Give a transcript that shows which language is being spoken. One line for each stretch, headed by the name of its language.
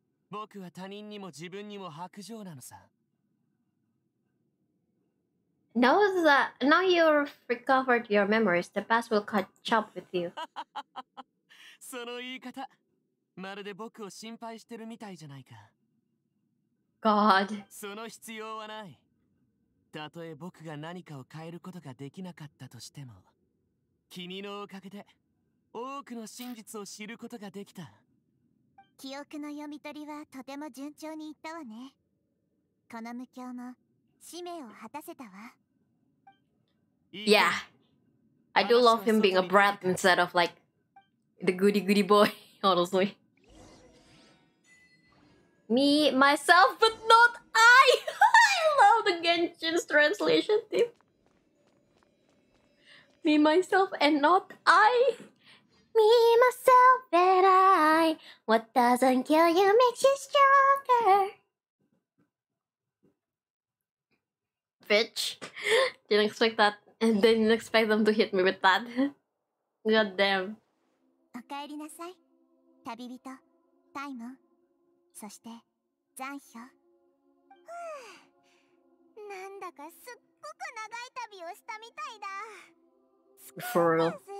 Japanese: 僕は他人にも自分にも薄情なのさ。
English: Now that now you've recovered your memories, the past will catch up with you.
Japanese: その言い方、まるで僕を心配してるみたいじゃないか。
English: God.
Japanese: その必要はない。たとえ僕が何かを変えることができなかったとしても、君のおかげで多くの真実を知ることができた。記憶の読み取りはとても順調にいったわね。この無教も使命を果たせたわ。
English: Yeah, I do love him being a brat instead of like the goody goody boy, honestly. Me, myself, but not I! I love the Genshin's translation theme. Me, myself, and not I! Me, myself, and I! What doesn't kill you makes you stronger! Bitch. Didn't expect that. And didn't expect them to hit me with that. God damn.
Japanese: おかえりなさい、旅人、タイモン、そして、ザンヒョ。なんだかすっごく長い旅をしたみたいだ。
English: For real.